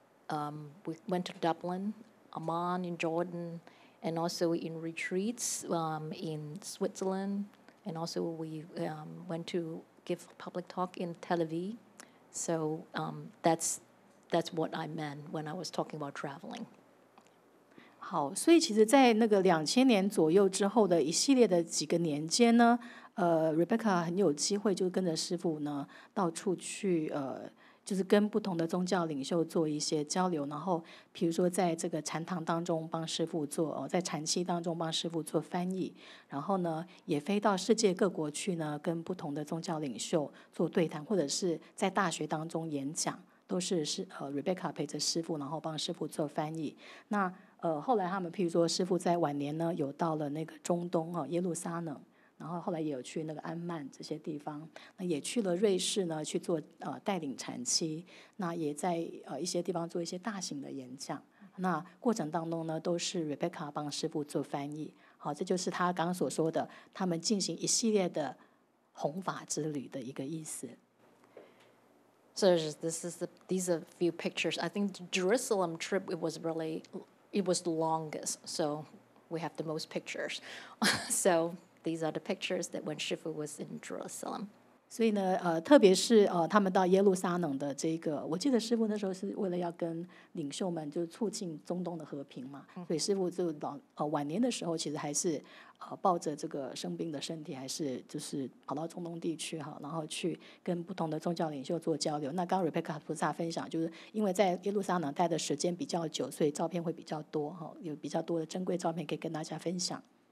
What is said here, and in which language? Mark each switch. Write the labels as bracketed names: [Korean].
[English] We went to Dublin, Amman in Jordan, and also in retreats in Switzerland, and also we went to give public talk in Tel Aviv. So that's what I meant when I was talking about traveling. [Chinese] 好，所以其实在那个2000年左右之后的一系列的几个年间呢，Rebecca 很有机会就跟着师父呢到处去就是跟不同的宗教领袖做一些交流，然后比如说在这个禅堂当中帮师父做，在禅期当中帮师父做翻译，然后呢也飞到世界各国去呢跟不同的宗教领袖做对谈，或者是在大学当中演讲，都是Rebecca 陪着师父然后帮师父做翻译。那后来他们譬如说师父在晚年呢有到了那个中东耶路撒冷，然后后来也有去那个安曼这些地方，那也去了瑞士呢去做带领禅期，那也在一些地方做一些大型的演讲，那过程当中呢都是 Rebecca 帮师父做翻译。好，这就是他刚刚所说的他们进行一系列的弘法之旅的一个意思。 [English] So this is these are a few pictures. I think the Jerusalem trip, it was the longest. So we have the most pictures. So these are the pictures that when Shifu was in Jerusalem. [Chinese] 所以呢，特别是他们到耶路撒冷的这个，我记得师父那时候是为了要跟领袖们就促进中东的和平嘛，所以师父就晚年的时候其实还是抱着这个生病的身体，还是就是跑到中东地区哈，然后去跟不同的宗教领袖做交流。那刚刚 Rebecca 菩萨分享，就是因为在耶路撒冷待的时间比较久，所以照片会比较多哈，有比较多的珍贵照片可以跟大家分享。